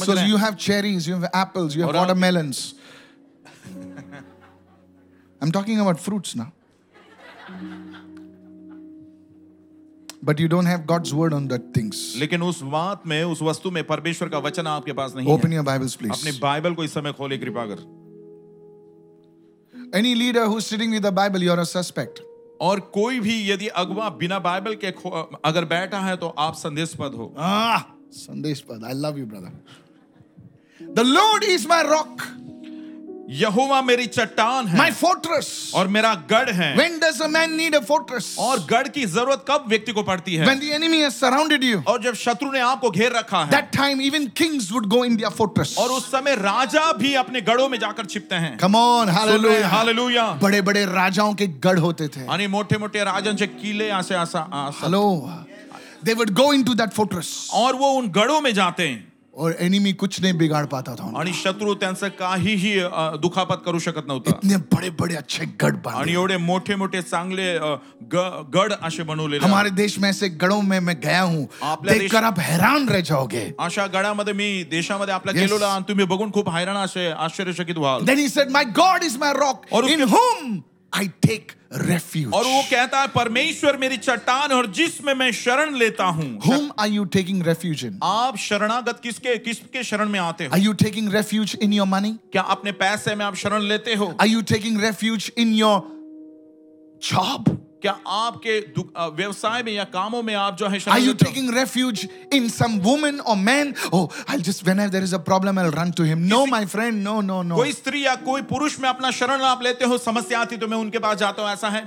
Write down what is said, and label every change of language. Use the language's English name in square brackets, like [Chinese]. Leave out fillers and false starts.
[English] So you have cherries, you have apples, you have watermelons. I'm talking about fruits now. But you don't have God's word on that things. [Hindi] लेकिन उस बात में, उस वस्तु में परमेश्वर का वचन आपके पास नहीं है. [English] Open your Bibles, please. [Hindi] अपने बाइबल को इस समय खोलिए कृपा कर. [English] Any leader who's sitting with the Bible, you're a suspect. [Hindi] और कोई भी यदि अगवा बिना बाइबल के अगर बैठा है तो आप संदेशपद हो. संदेशपद. [English] I love you, brother. The Lord is my rock. [Hindi] यहोवा मेरी चट्टान है. [English] My fortress. [Hindi] और मेरा गढ़ है. [English] When does a man need a fortress? [Hindi] और गढ़ की जरूरत कब व्यक्ति को पड़ती है? [English] When the enemy has surrounded you. [Hindi] और जब शत्रु ने आपको घेर रखा है. [English] That time even kings would go in their fortress. [Hindi] और उस समय राजा भी अपने गढ़ों में जाकर छिपते हैं. [English] Come on, hallelujah. Hallelujah. [Hindi] बड़े-बड़े राजाओं के गढ़ होते थे. [Marathi] अने मोटे-मोटे राजन जे किले आसे आसा आसा. [English] Hello. They would go into that fortress. [Hindi] और वो उन गढ़ों में जाते हैं. और एनिमी कुछ नहीं बिगाड़ पाता था. [Marathi] आणि शत्रु त्यांचं काही ही दुखापत करू शकत नव्हता. [Hindi] इतने बड़े बड़े अच्छे गढ़ बांधे. [Marathi] आणि एवढे मोठे मोठे चांगले गढ़ असे बनवलेले. [Hindi] हमारे देश में ऐसे गढ़ों में मैं गया हूँ. देखकर आप हैरान रह जाओगे. [Marathi] अशा गढ़ामध्ये मी देशामध्ये आपला गेलोला. तुम्ही बघून खूप हैरान असे आश्चर्यचकित व्हाल. [English] Then he said, "My God is my rock, in whom I take refuge." [Hindi] और वो कहता है परमेश्वर मेरी चट्टान और जिसमें मैं शरण लेता हूँ. [English] Whom are you taking refuge in? [Hindi] आप शरणागत किसके शरण में आते हो? [English] Are you taking refuge in your money? [Hindi] क्या अपने पैसे में आप शरण लेते हो? [English] Are you taking refuge in your job? [Hindi] क्या आपके व्यवसाय में या कामों में आप जो है [English] शरण? Are you taking refuge in some woman or man? Oh, I'll just whenever there is a problem, I'll run to him. No, my friend, no. [Hindi] कोई स्त्री या कोई पुरुष में अपना शरण आप लेते हो, समस्या आती तो मैं उनके पास जाता हूँ, ऐसा है?